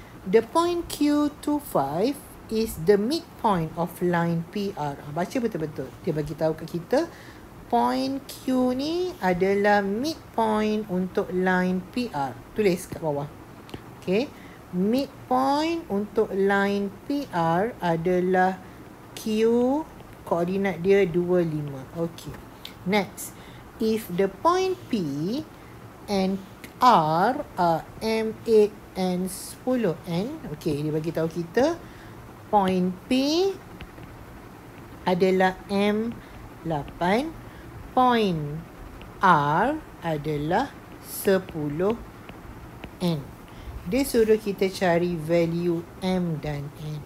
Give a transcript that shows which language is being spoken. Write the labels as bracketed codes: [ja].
[en] The point Q25 is the midpoint of line PR. [ms] Baca betul-betul. Dia bagi tahu kat kita point Q ni adalah midpoint untuk line PR. Tulis kat bawah. Okay, midpoint untuk line PR adalah Q, koordinat dia 25. [en] Okay, next. If the point P and R are M8 and 10N. [ms] Okay, dia bagi tahu kita point P adalah M8, point R adalah 10N. Dia suruh kita cari value M dan N.